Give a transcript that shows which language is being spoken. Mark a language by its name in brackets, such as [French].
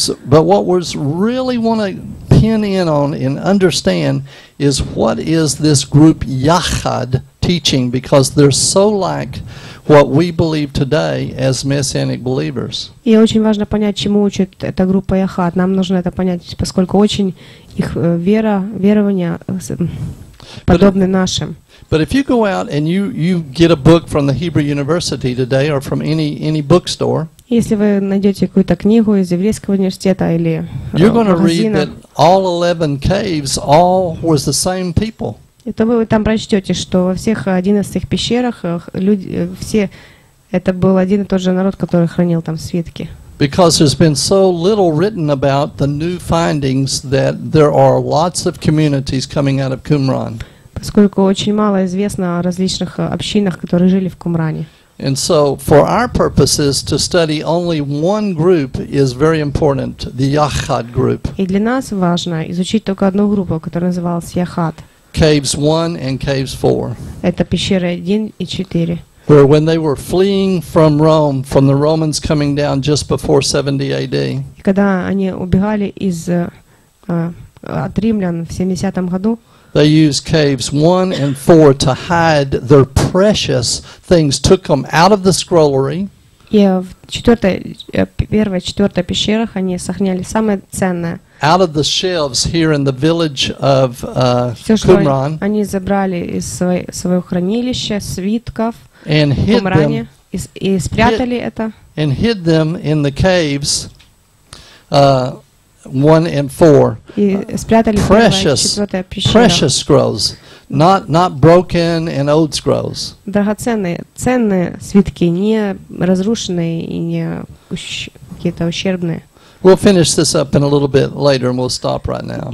[English] But what we really want to pin in on and understand is what is this group Yachad teaching, because they're so like what we believe today as Messianic believers. [Russian] И очень важно понять, чему учит эта группа Яхад. Нам нужно это понять, поскольку очень их вера, верования подобны нашим. [English] But if you go out and you get a book from the Hebrew University today or from any bookstore, [Russian] если вы найдете какую-то книгу из Еврейского университета или магазина, [English] you're going to read that all 11 caves all was the same people. [Russian] И то вы там прочтете, что во всех 11 пещерах люди, все, это был один и тот же народ, который хранил там свитки. [English] Because there's been so little written about the new findings that there are lots of communities coming out of Qumran. [Russian] Поскольку очень мало известно о различных общинах, которые жили в Кумране. [English] And so, for our purposes, to study only one group is very important, the Yachad group. [Russian] И для нас важно изучить только одну группу, которая называлась Yachad. [English] Caves 1 and caves 4. [Russian] Это пещеры 1 и 4. [English] Where when they were fleeing from Rome, from the Romans coming down just before 70 AD. [Russian] Когда они убегали из от римлян в 70-м году. [English] They used caves 1 and 4 to hide their precious things, took them out of the scrollery. [Russian] В 4-й пещерах они сохраняли самое ценное. [English] Out of the shelves here in the village of Qumran. [Russian] Они забрали из своего хранилища свитков [English] Qumran [Russian] и спрятали это. [English] And hid them in the caves 1 and 4. [Russian] И спрятали [English] precious scrolls, not broken and old scrolls. [Russian] Драгоценные, ценные свитки, не разрушенные и не какие-то ущербные. [English] We'll finish this up in a little bit later, and we'll stop right now.